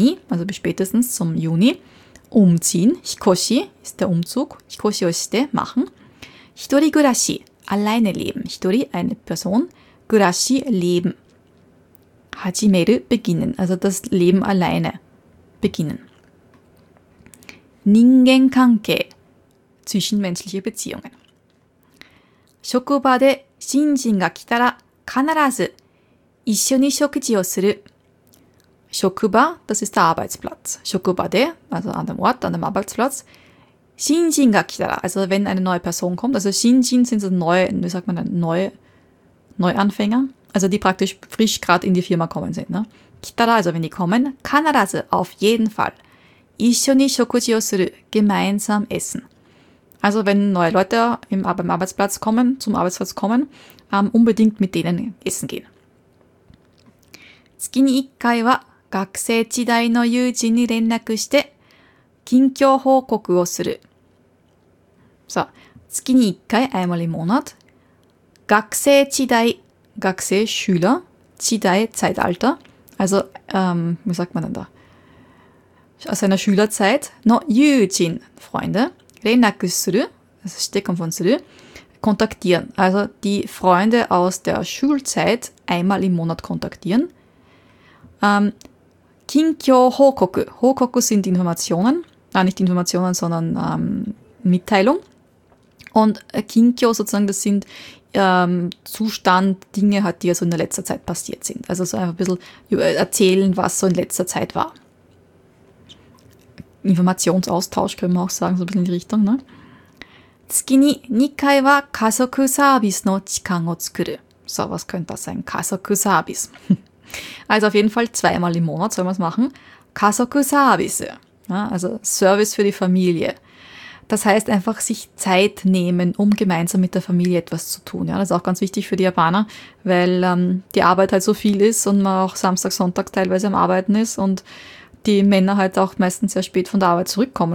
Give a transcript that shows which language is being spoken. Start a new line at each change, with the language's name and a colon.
German: Bis spätestens zum Juni umziehen. 引っ越し ist der Umzug.
Japanese: 引っ越しをして
German: machen.
Japanese: 一人暮らし
German: alleine leben. 一人 eine Person. 暮らし leben. 始める beginnen. Also das Leben alleine beginnen. 人間関係 zwischenmenschliche Beziehungen.
Japanese: 職場で新人が来たら必ず一緒に食事をする。
German: 職場 das ist der Arbeitsplatz. 職場で also an dem Ort, an dem Arbeitsplatz.
Japanese: 新人が来たら
German: also wenn eine neue Person kommt, also 新人 sind so neue, wie sagt man, Neuanfänger, also die praktisch frisch gerade in die Firma kommen sind.
Japanese: 来たら
German: also wenn die kommen, 必ず auf jeden Fall.
Japanese: 一緒に食事をする
German: gemeinsam essen. Also wenn neue Leute zum Arbeitsplatz kommen, unbedingt mit denen essen gehen.
Japanese: 月に一回は学生時代の友人に連絡して近況報告をする。さあ、月に一回
German: einmal im Monat
Japanese: 学生時代
German: 学生 Schüler 時代 Zeitalter also wie sagt man denn da? Aus seiner Schülerzeit,
Japanese: no, yujin,
German: Freunde,
Japanese: renaku suru,
German: also stecken von suru, kontaktieren. Also die Freunde aus der Schulzeit einmal im Monat kontaktieren. Kinkyo hokoku, hokoku sind Informationen, nicht Informationen, sondern Mitteilung. Und kinkyo sozusagen, das sind Zustand, Dinge, die also in der letzten Zeit passiert sind. Also so einfach ein bisschen erzählen, was so in letzter Zeit war. Informationsaustausch, können wir auch sagen, so ein bisschen in die Richtung, ne?
Japanese: 月に2回は家族サービスの時間を作る。
German: So, was könnte das sein? 家族サービス。 Also auf jeden Fall zweimal im Monat sollen wir es machen.
Japanese: 家族サービス。
German: Ja, also Service für die Familie. Das heißt einfach sich Zeit nehmen, um gemeinsam mit der Familie etwas zu tun. Ja, das ist auch ganz wichtig für die Japaner, weil die Arbeit halt so viel ist und man auch Samstag, Sonntag teilweise am Arbeiten ist und die Männer halt auch meistens sehr spät von der Arbeit zurückkommen.